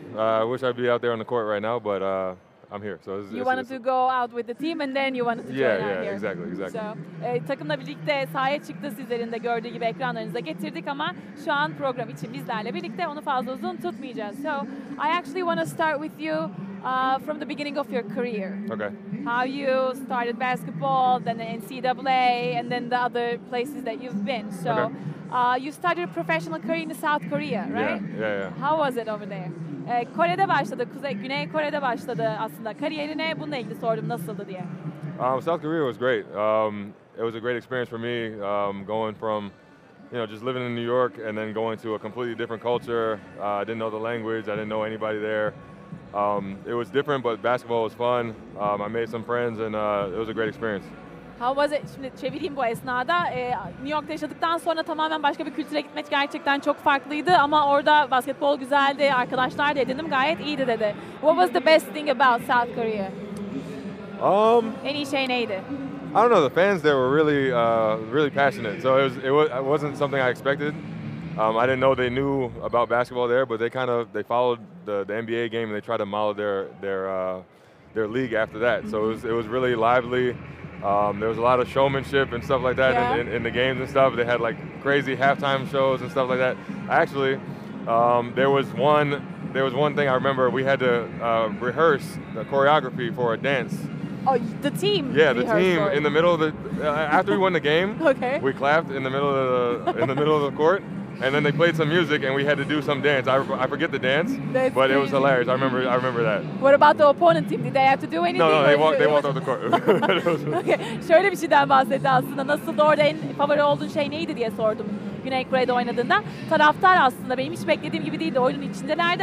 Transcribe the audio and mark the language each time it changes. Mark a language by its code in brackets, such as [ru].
[en] I wish I'd be out there on the court right now, but I'm here. So you wanted to go out with the team and then you wanted to join yeah, out here. Yeah, yeah, exactly. [tr] So, takımla birlikte sahaya çıktı, sizlerin de gördüğü gibi ekranlarınıza getirdik ama şu an program için bizlerle birlikte, onu fazla uzun tutmayacağız. [en] So, I actually want to start with you from the beginning of your career. Okay. How you started basketball, then the NCAA, and then the other places that you've been. So, okay. You started a professional career in South Korea, right? Yeah. How was it over there? [tr] Kore'de başladı, Güney Kore'de başladı aslında kariyerine. Bununla ilgili sordum, nasıldı diye. [en] South Korea was great. It was a great experience for me, going from, you know, just living in New York and then going to a completely different culture. I didn't know the language. I didn't know anybody there. It was different, but basketball was fun. I made some friends, and it was a great experience. How was it? [tr] Şimdi çevireyim bu esnada. New York'ta yaşadıktan sonra tamamen başka bir kültüre gitmek gerçekten çok farklıydı. Ama orada basketbol güzeldi, arkadaşlar da edindim, gayet iyiydi dedi. [en] What was the best thing about South Korea? [tr] Any şey neydi? [en] I don't know. The fans there were really, really passionate. So it wasn't something I expected. I didn't know they knew about basketball there, but they followed the NBA game and they tried to model their league after that. So it was really lively. There was a lot of showmanship and stuff like that in the games and stuff. They had like crazy halftime shows and stuff like that. Actually, there was one thing I remember. We had to rehearse the choreography for a dance. Oh, the team. Yeah, the team in the middle of the after we won the game. Okay. We clapped in the middle of the court, and then they played some music, and we had to do some dance. I forget the dance, That's crazy. It was hilarious. I remember that. What about the opponent team? Did they have to do anything? No, they walked off the court. [tr] Okay. Şöyle bir şeyden bahsetti aslında. Nasıl orada en favori olduğun şey neydi diye sordum. Güney Kore'de oynadığında taraftar aslında benim hiç beklediğim gibi değildi. Oyunun içindelerdi.